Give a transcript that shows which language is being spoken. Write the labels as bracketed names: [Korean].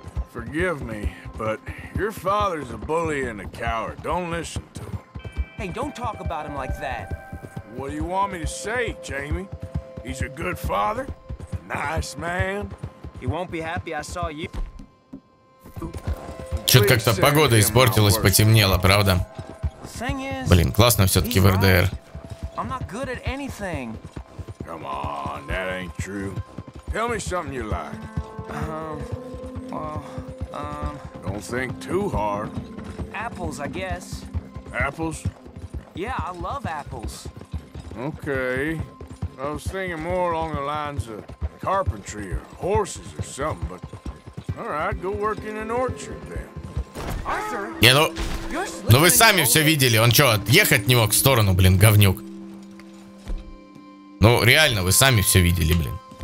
[English] Forgive me, but your father's a bully and a coward. Don't listen to him. Hey, don't talk about him like that. What do you want me to say, Jamie? He's a good father, a nice man. He won't be happy I saw you. [Russian] Чё-то как-то погода испортилась, потемнело, правда? Блин, классно всё-таки в РДР. [English] I'm not good at anything. Come on, that ain't true. Tell me something you like. Don't think too hard. Apples, I guess. Apples? Yeah, I love apples. Okay. I was thinking more along the lines of carpentry or horses or something, but all right, go work in an orchard then. Arthur. [Russian] Не, ну, ну вы сами все видели. Он что, отъехать не мог в сторону, блин, говнюк. Ну, реально, вы сами все видели, блин.